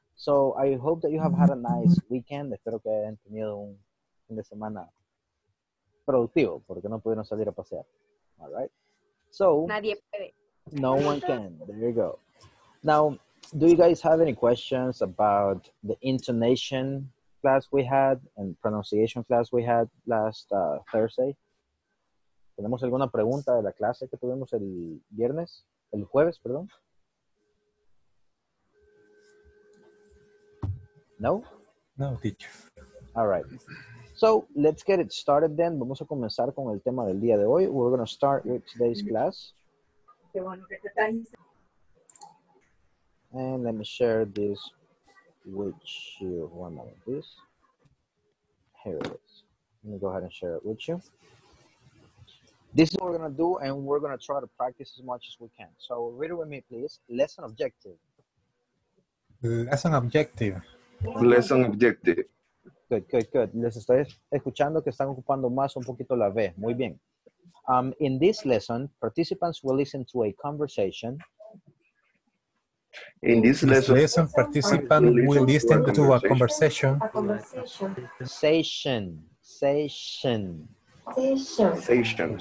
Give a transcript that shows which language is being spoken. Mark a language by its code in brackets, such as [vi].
[en] So I hope that you have had a nice weekend. [es] Espero que hayan tenido un fin de semana productivo, porque no pudieron salir a pasear. [en] All right. So [es] nadie puede. [en] No one can. There you go. Now, do you guys have any questions about the intonation class we had and pronunciation class we had last Thursday? [es] ¿Tenemos alguna pregunta de la clase que tuvimos el viernes? El jueves, perdón. [en] No? No, teacher. All right. So, let's get it started then. [es] Vamos a comenzar con el tema del día de hoy. [en] We're going to start with today's class. And let me share this with you. One moment, please. Here it is. Let me go ahead and share it with you. This is what we're going to do, and we're going to try to practice as much as we can. So, read it with me, please. Lesson objective. Lesson objective. Lesson objective. Good, good, good. [es] Les estoy escuchando que están ocupando más un poquito la B. Muy bien. [en] In this lesson, participants will listen to a conversation. In this lesson participants will listen to a conversation. Session. Session. Session.